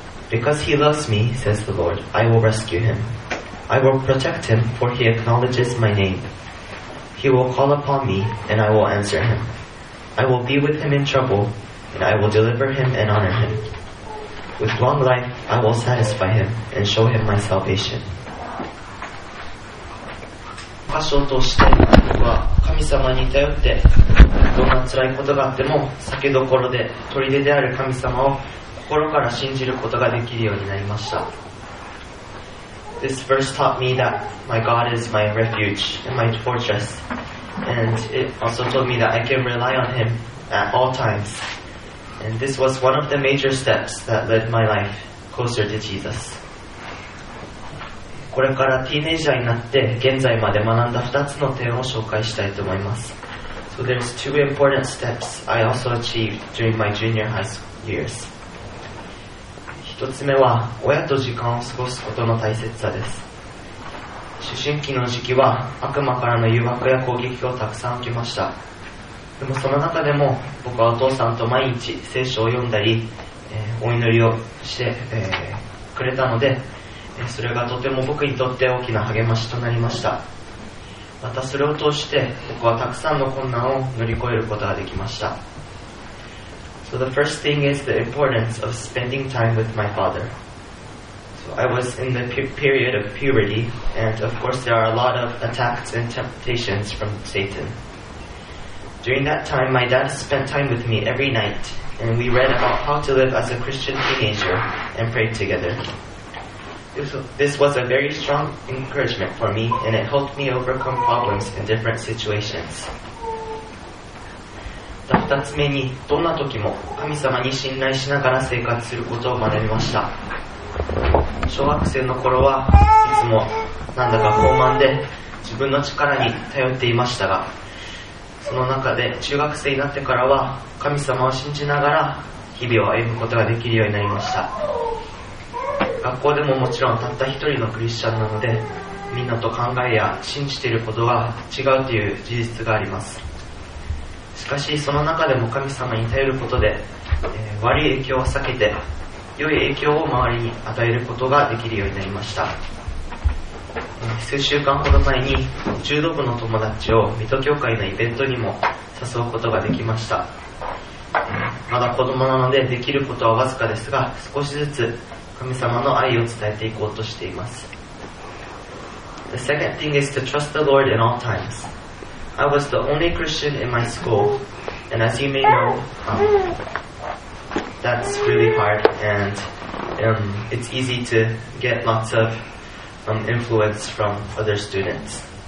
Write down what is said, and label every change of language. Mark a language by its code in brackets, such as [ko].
[en] Because he loves me, says the Lord, I will rescue him. I will protect him, for he acknowledges my name. He will call upon me, and I will answer him. I will be with him in trouble, and I will deliver him and honor him. With long life, I will satisfy him and show him my salvation. [ja] 箇所として僕は神様に頼って、どんな辛いことがあっても酒どころで砦である神様を心から信じることができるようになりました。 [en] This verse taught me that my God is my refuge and my fortress, and it also told me that I can rely on Him at all times. And this was one of the major steps that led my life closer to Jesus. [ja] これからティーネイジャーになって現在まで学んだ2つの点を紹介したいと思います。 [en] So there's two important steps I also achieved during my junior high school years. [ja] 一つ目は親と時間を過ごすことの大切さです。思春期の時期は悪魔からの誘惑や攻撃をたくさん受けました。でもその中でも僕はお父さんと毎日聖書を読んだり、お祈りをして、くれたので、それがとても僕にとって大きな励ましとなりました。またそれを通して僕はたくさんの困難を乗り越えることができました。 [en] So the first thing is the importance of spending time with my father. So I was in the period of puberty, and of course there are a lot of attacks and temptations from Satan. During that time, my dad spent time with me every night, and we read about how to live as a Christian teenager and prayed together. This was a very strong encouragement for me, and it helped me overcome problems in different situations. [ja] 二つ目に、どんな時も神様に信頼しながら生活することを学びました。小学生の頃はいつもなんだか傲慢で自分の力に頼っていましたが、その中で中学生になってからは神様を信じながら日々を歩むことができるようになりました。学校でももちろんたった一人のクリスチャンなので、みんなと考えや信じていることが違うという事実があります。しかしその中でも神様に頼ることで、悪い影響を避けて良い影響を周りに与えることができるようになりました。数週間ほど前に中毒の友達を水戸教会のイベントにも誘うことができました。まだ子供なのでできることはわずかですが、少しずつ神様の愛を伝えていこうとしています。 [en] The second thing is to trust the Lord in all timesI was the only Christian in my school, and as you may know, that's really hard, and it's easy to get lots of influence from other students.